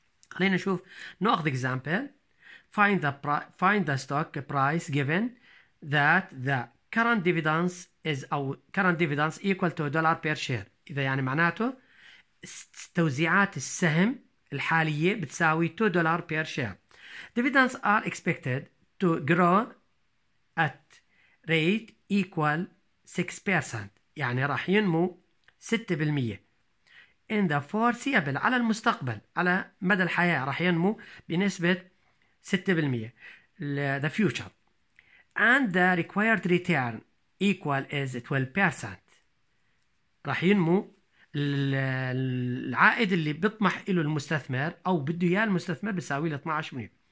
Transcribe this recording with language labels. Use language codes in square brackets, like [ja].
[ar] خلينا نشوف، نأخذ example. [en] Find the stock price given that the current dividends is or current dividends equal to dollar per share. [ar] إذا يعني معناته توزيعات السهم الحالية بتساوي $2 [en] per share. Dividends are expected to grow at rate equal 6%. [ar] يعني راح ينمو 6%. [en] In the foreseeable [ar] على المستقبل، على مدى الحياة راح ينمو بنسبة 6% [en] the future. And the required return equal is 12%. [ar] راح ينمو العائد اللي بيطمح له المستثمر أو بده إياه المستثمر بيساوي له 12%.